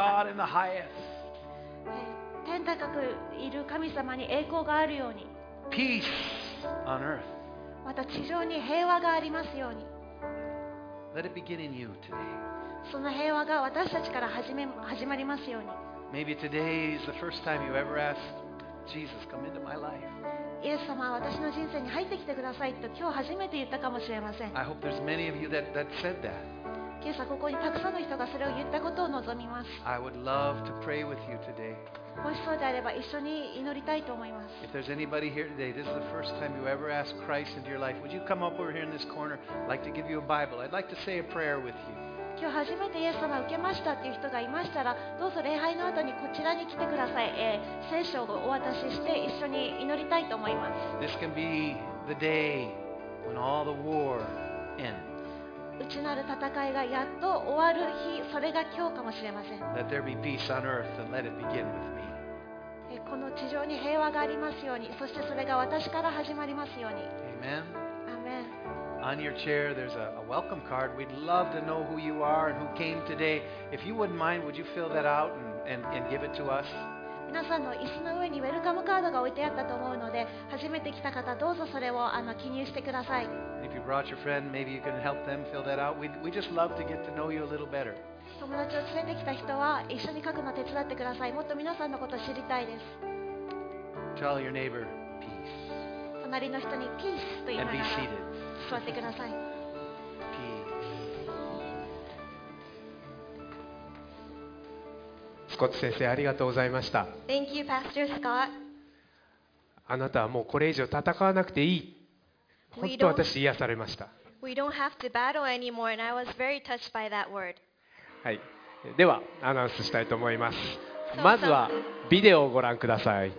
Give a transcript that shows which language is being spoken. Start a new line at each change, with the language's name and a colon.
English: Glory to God in the highest.
Japanese: 天高くいる神様に栄光があるように。
English: Peace on earth.
Japanese: また地上に平和がありますように。
English: Let it begin in you today.
Japanese: その平和が私たちから始まりますように。
English: Maybe today is the first time you ever asked Jesus come into my life.
Japanese: イエス様は私の人生に入ってきてくださいと今日初めて言ったかもしれません。
English: I hope there's many of you that said that.
Japanese: 今朝ここにたくさんの人がそれを言ったことを望みます。
English: I would love to pray with you today.
Japanese: もしそうであれば一緒に祈りたいと思います。
English: If there's anybody here today, this is the first time you ever asked Christ into your life, would you come up over here in this corner? I'd like to give you a Bible. I'd like to say a prayer with you.
Japanese: 今日初めてイエス様を受けましたという人がいましたらどうぞ礼拝の後にこちらに来てください、聖書をお渡しして一緒に祈りたいと思います。
English: This can be the day when all the war ends.
Japanese: 内なる戦いがやっと終わる日、それが今日かもしれません。
English: Let there be peace on earth and let it begin with me.
Japanese: この地上に平和がありますように、そしてそれが私から始まりますように。
English: Amen. On your chair, there's a welcome card. We'd love to know who you are and who came today. If you wouldn't mind, would you fill that out and give it to us?
Japanese: 皆さんの椅子の上にウェルカムカードが置いてあったと思うので、初めて来た方どうぞそれを記入してください。
English: If you brought your friend, maybe you can help them fill that out. We just love to get to know you a little better.
Japanese: 友達を連れてきた人は一緒に書くの手伝ってください。もっと皆さんのことを知りたいです。
English: Tell your neighbor peace.
Japanese: 隣の人にピースと言いながら。座ってください。スコット先生ありがとうございました。
English: Thank you, Pastor Scott.
Japanese: あなたはもうこれ以上戦わなくていい。本当私癒されました。
English: We don't have to battle anymore, and I was very touched by that word.
Japanese: はい、ではアナウンスしたいと思います。まずはビデオをご覧ください。